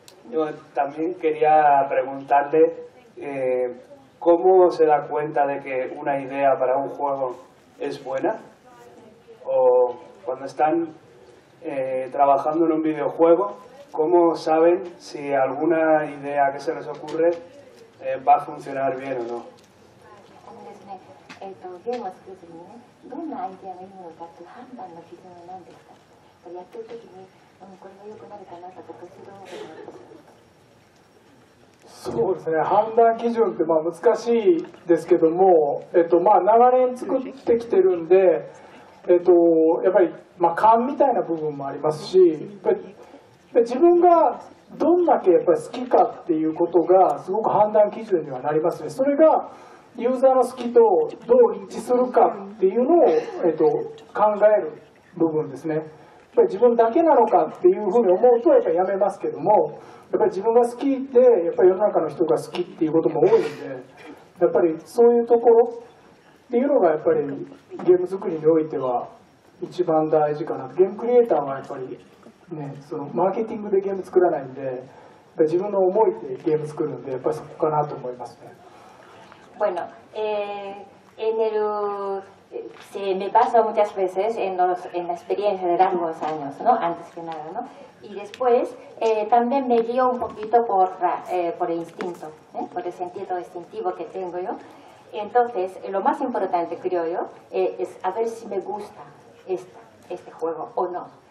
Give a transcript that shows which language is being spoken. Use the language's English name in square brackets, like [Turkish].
[Spanish] Yo también quería preguntarle cómo se da cuenta de que una idea para un juego es buena, o cuando están trabajando en un videojuego, ¿cómo saben si alguna idea que se les ocurre va a funcionar bien o no? [Japanese] ゲームは作る時にね、どんなアイデアがいいのかっていう判断の基準は何ですか？やってる時に、うん、これが良くなるかなとか、こっちどうなるか。そうですね、判断基準ってまあ難しいですけども、まあ長年作ってきてるんで、やっぱりまあ勘みたいな部分もありますし、やっぱり自分がどんだけやっぱり好きかっていうことがすごく判断基準にはなりますね。それがユーザーの好きとどう一致するかっていうのを、考える部分ですね。やっぱり自分だけなのかっていうふうに思うとやっぱやめますけども、やっぱり自分が好きでやっぱり世の中の人が好きっていうことも多いんで、やっぱりそういうところっていうのがやっぱりゲーム作りにおいては一番大事かな。ゲームクリエイターはやっぱりね、そのマーケティングでゲーム作らないんで、やっぱり自分の思いでゲーム作るんで、やっぱりそこかなと思いますね。 [Spanish] Bueno, en el se me pasa muchas veces en la experiencia de largos años, ¿no? Antes que nada, ¿no? Y después también me guío un poquito por el instinto, ¿eh? Por el sentido instintivo que tengo yo. Entonces, lo más importante, creo yo, es a ver si me gusta este juego o no.